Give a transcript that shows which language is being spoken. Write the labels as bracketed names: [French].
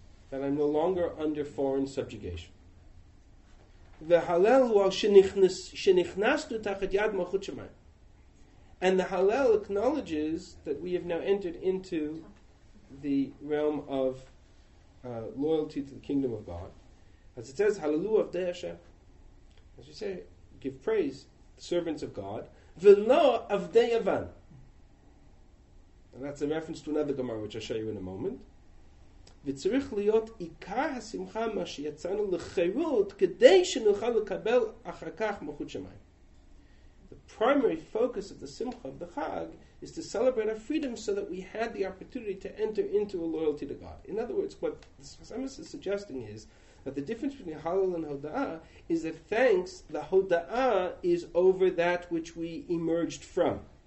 [English] That I'm no longer under foreign subjugation. The Hallel shenichnasu tachat yad malchut shemayim, and the Hallel acknowledges that we have now entered into the realm of loyalty to the kingdom of God, as it says, Hallelu avdei Hashem. As we say, give praise, the servants of God. V'lo avdei Yavan. And that's a reference to another Gemara, which I'll show you in a moment. [Hebrew] וצריך להיות עיקר השמחה מה שיצאנו לחירות כדי שנוכל לקבל אחר כך מלכות שמיים. [English] The primary focus of the simcha of the Chag is to celebrate our freedom so that we had the opportunity to enter into a loyalty to God. In other words, what the Sfasemis is suggesting is that the difference between Halal and Hoda'ah is that thanks, the Hoda'ah is over that which we emerged from.